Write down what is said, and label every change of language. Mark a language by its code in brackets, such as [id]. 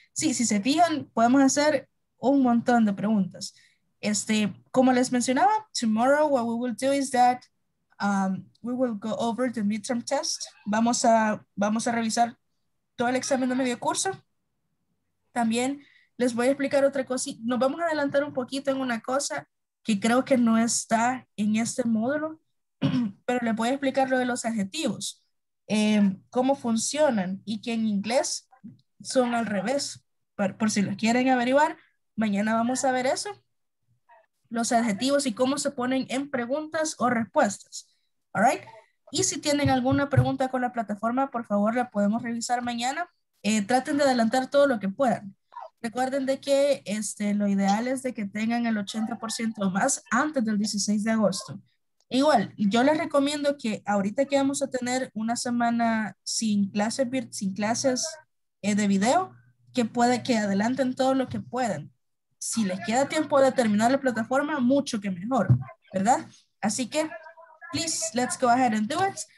[es] Sí, si se fijan, podemos hacer un montón de preguntas. Como les mencionaba, [en] tomorrow what we will do is that we will go over the midterm test. [es] Vamos a revisar todo el examen de medio curso. También les voy a explicar otra cosa. Nos vamos a adelantar un poquito en una cosa que creo que no está en este módulo, pero les voy a explicar lo de los adjetivos. Cómo funcionan y que en inglés son al revés. Por si los quieren averiguar, mañana vamos a ver eso. Los adjetivos y cómo se ponen en preguntas o respuestas. [en] All right? [es] Y si tienen alguna pregunta con la plataforma, por favor, la podemos revisar mañana. Traten de adelantar todo lo que puedan. Recuerden de que lo ideal es de que tengan el 80% o más antes del 16 de agosto. Igual, yo les recomiendo que ahorita que vamos a tener una semana sin clases de video, que adelanten todo lo que puedan. Si les queda tiempo de terminar la plataforma, mucho que mejor, ¿verdad? Así que, [en] please, let's go ahead and do it.